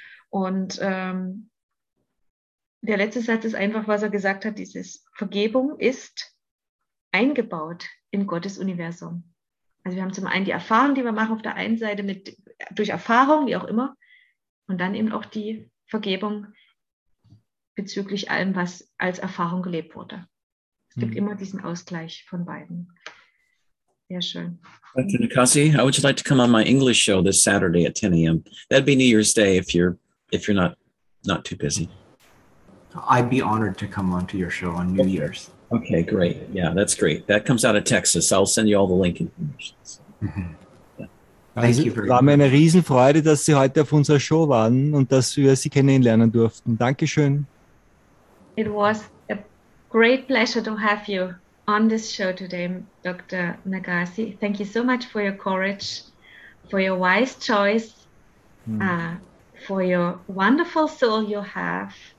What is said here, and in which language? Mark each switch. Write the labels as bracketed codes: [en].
[de] Und der letzte Satz ist einfach, was er gesagt hat, dieses Vergebung ist eingebaut in Gottes Universum. Also wir haben zum einen die Erfahrung, die wir machen auf der einen Seite durch Erfahrung, wie auch immer, und dann eben auch die Vergebung bezüglich allem, was als Erfahrung gelebt wurde. Es gibt immer diesen Ausgleich von beiden. Sehr schön. [en] Dr. Nikasi, I would like to come on my English show this Saturday at 10 a.m. That'd be New Year's Day if you're not too busy. I'd be honored to come on to your show on New Year's. Okay, great. Yeah, that's great. That comes out of Texas. I'll send you all the link information. [de] War mir eine Riesenfreude, dass Sie heute auf unserer Show waren und dass wir Sie kennenlernen durften. Dankeschön. [en] It was a great pleasure to have you on this show today, Dr. Nikasi. Thank you so much for your courage, for your wise choice, for your wonderful soul you have.